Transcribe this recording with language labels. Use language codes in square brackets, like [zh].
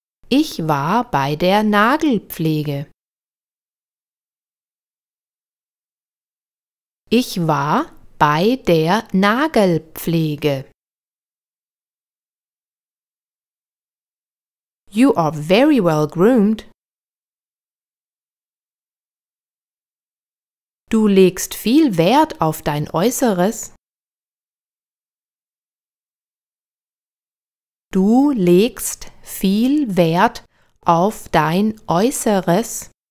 [de] Ich war bei der Nagelpflege. Ich war bei der Nagelpflege. [en] You are very well groomed. [de] Du legst viel Wert auf dein Äußeres. Du legst viel Wert auf dein Äußeres.